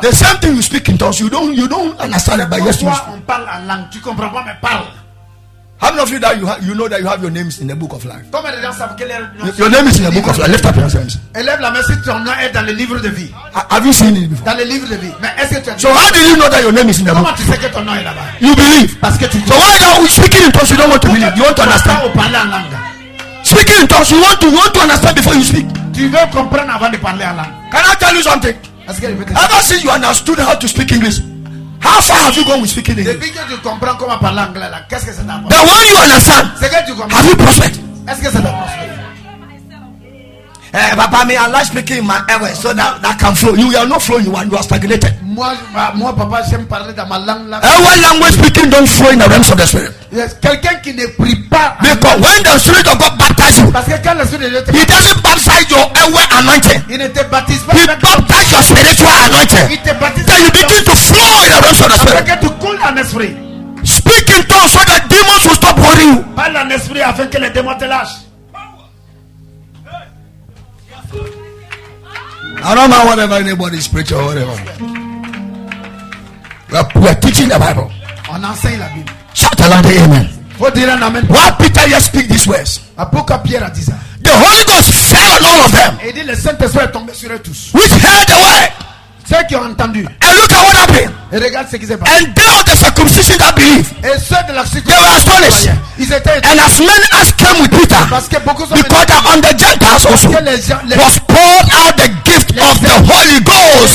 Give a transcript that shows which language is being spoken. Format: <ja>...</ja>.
<en>The same thing you speak in tongues, you don't understand it, but yes, you speak.</en> <fr>On parle en langue, tu comprends pas, mais parle.</fr> <en>How many of you that you know that you have your names in the book of life?</en> <fr>Combien de gens savent quel est</fr> <en>your name is in the book of life. Lift up your hands.</en> <fr>Élève la main si ton nom est dans le livre de vie.</fr> <en>Have you seen it before?</en> <fr>Dans le livre de vie. Mais est-ce que tu as</fr> <en>so how do you know that your name is in the book?</en> <fr>Comment tu sais que ton nom est là-bas?</fr> <en>You believe.</en> <fr>Parce que tu.</fr> <en>So why are you speaking in tongues? You don't want to believe. You want to understand.</en> <fr>On parle en langue.</fr> <en>Speaking in tongues, you want to understand before you speak.</en> <fr>Tu veux comprendre avant de parler en langue.</fr> <en>Can I tell you something? Ever since you understood how to speak English, how far have you gone with speaking English?</en> <fr>Depuis que tu comprends comment parler anglais, là, qu'est-ce que c'est d'abord?</fr> <en>The one you understand,</en> <fr>c'est que tu comprends.</fr> <en>Have you prospered?</en> <fr>Est-ce que c'est d'abord?</fr> <en>Hey, papa, me I like speaking in my airway, so that can flow. You are not flowing, you are stagnated.</en> <fr>Moi, papa, j'aime parler dans ma langue.</fr> <en>Airway language speaking don't flow in the realms of the spirit.</en> <fr>Yes, quelqu'un qui ne prie pas.</fr> <en>Because when the spirit of God baptizes you,</en> <fr>parce que quand le spirit de Dieu te baptise,</fr> <en>he doesn't baptize your airway anointing.</en> <fr>Il ne te baptise pas.</fr> <en>He baptizes your spiritual anointing.</en> <fr>Il te baptise.</fr> <en>Then you begin to flow in the realms of the spirit.</en> <fr>Parce que tu coules en esprit.</fr> <en>Speak in tongues so that demons will stop worrying you.</en> <fr>Parle en esprit afin que les démons te lâchent.</fr> <en>I don't know whatever anybody is preaching or whatever. We are teaching the Bible.</en> <fr>On enseigne la Bible.</fr> <en>Shout aloud, amen. Why Peter just speak these words? A book of</en> <fr>Pierre a dit ça.</fr> <en>The Holy Ghost fell on all of them.</en> <fr>Et dit le Saint-Esprit est tombé sur eux tous.</fr> <en>Which heard the word.</en> <fr>Ceux qui ont entendu.</fr> <en>And look at what happened.</en> <fr>Et regarde ce qui s'est passé.</fr> <en>And they of the circumcision that believe.</en> <fr>Et ceux de la circumcision.</fr> <en>They were astonished.</en> <fr>Ils étaient.</fr> <en>And as many as came with Peter.</en> <fr>Parce que beaucoup sont.</fr> <en>Because they are on the Gentiles also. Was poured out the gift of the Holy Ghost.</en>